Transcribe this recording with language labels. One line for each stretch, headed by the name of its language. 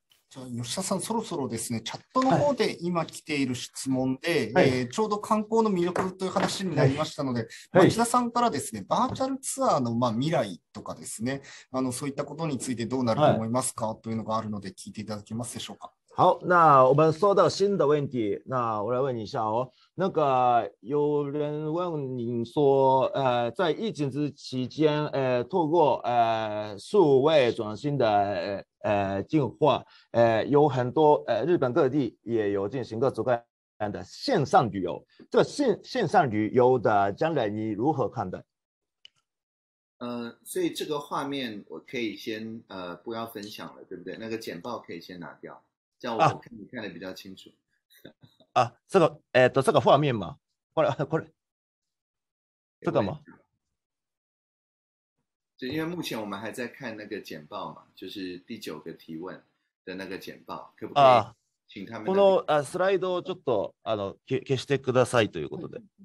Japanese: じゃあ、吉田さん、そろそろですね、チャットの方で今来ている質問で、ちょうど観光の魅力という話になりましたので、町田さんからですね、バーチャルツアーの、未来とかですね、そういったことについてどうなると思いますかというのがあるので、聞いていただけますでしょうか。
Chinese: 好，那我们说到新的问题，那我来问你一下哦。那个有人问你说，在疫情之期间，透过数位转型的进化，有很多日本各地也有进行各种各样的线上旅游。这个线上旅游的将来你如何看待？所以这个画面我可以先不要分享了，对不对？那个简报可以先拿掉。这样我啊看你看得比较清楚。啊，这个，这个画面嘛，过来，这个吗？就因为目前我们还在看那个简报嘛，就是第九个提问的那个简报，可不可以啊，请他
Japanese: こ
Chinese: 们的？
Japanese: の、スライドをちょっと、消してくださいということで。